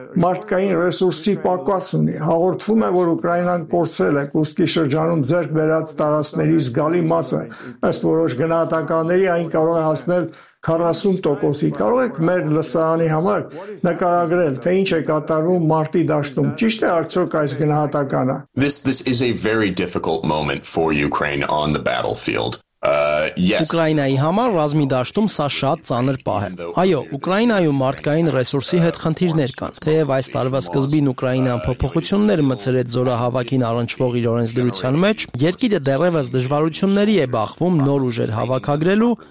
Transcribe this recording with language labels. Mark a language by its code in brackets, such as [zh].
[hy] մարդկային ռեսուրսի պակաս ունի։ Հաղորդվում է, որ Ուկրաինան կորցրել է Կուրսկի շրջանում ձեռք բերած տարածքների զգալի մասը։ Ըստ որոշ գնահատականների, այն կարող է հասնել 40%-ի։ Կարող եք մեր լսարանի համար նկարագրել, թե ինչ է կատարվում մարտի դաշտում, ճիշտ է արդյոք այս գնահատականը։ [en] This is a very difficult moment for Ukraine on the battlefield. Yes. [hy] Ուկրաինայի համար ռազմիդաշտում սա շատ ծանր պահ է։ Այո, Ուկրաինայում մարդկային ռեսուրսի հետ խնդիրներ կան։ Թեև այս տարվա սկզբին Ուկրաինան փոփոխություններ մտցրեց զորահավաքին առնչվող իր օրենսդրության մեջ, երկիրը դեռևս դժվարությունների է բախվում նոր ուժեր հավաքագրելու,